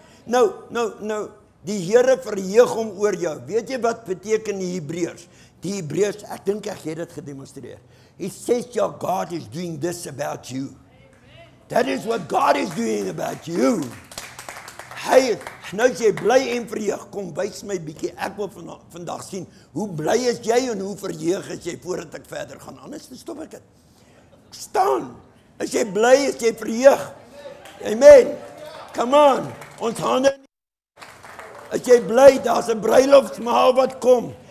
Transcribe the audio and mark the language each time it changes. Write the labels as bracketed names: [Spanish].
[Afrikaans] Nou, die Here verheug hom oor jou. Weet jy wat beteken die Hebreërs? Die Hebreërs, ek dink ek het dit gedemonstreer. [English] He says, your God is doing this about you. Amen. That is what God is doing about you. [Afrikaans] Hy, nou as jy bly en verheug, kom, wys my bietjie. Ek wil vandag sien, hoe bly is jy en hoe verheug is jy voordat ek verder gaan. Anders verstop ek het. Staan, as jy bly, is jy verheug. Amen. Come on, ons handen. As jy bly, daar is een bruiloftsmaal wat kom.